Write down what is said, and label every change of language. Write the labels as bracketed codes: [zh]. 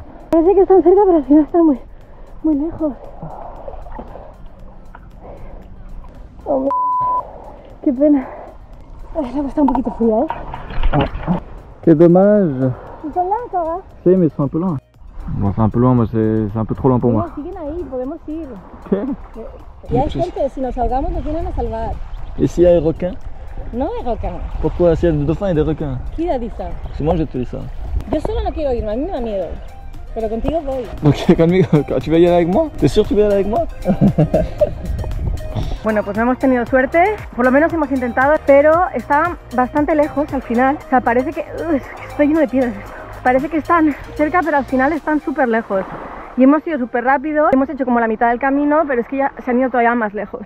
[es] Parece que están cerca, pero al final están muy, muy lejos. Oh, m***. Qué pena. Ay, la agua está un poquito fría, ¿eh? [fr] Qué dommage. [es] Están lejos, ¿eh? Sí, pero están un poco lejos. [fr] Bon, c'est un peu loin, mais c'est un peu trop loin pour moi. [es] Non, siguen ahí, podemos ir. Okay. Y hay gente, si nos ahogamos, nos vienen a salvar. [fr] Et s'il y a des requins? Non, des requins. Pourquoi? S'il y a des dauphins et des requins? Qui a dit ça? C'est moi qui ai dit ça. [es] Yo solo no quiero irme, a mí me da miedo. Pero contigo voy. [fr] Ok, conmigo, tu vas y aller avec moi? T'es sûr que tu vas y aller avec moi? [es] Bueno, pues no hemos tenido suerte, por lo menos hemos intentado, pero estaban bastante lejos al final. O sea, parece que. Estoy lleno de piedras. Parece que están cerca, pero al final están súper lejos. Y hemos ido súper rápido, hemos hecho como la mitad del camino, pero es que ya se han ido todavía más lejos.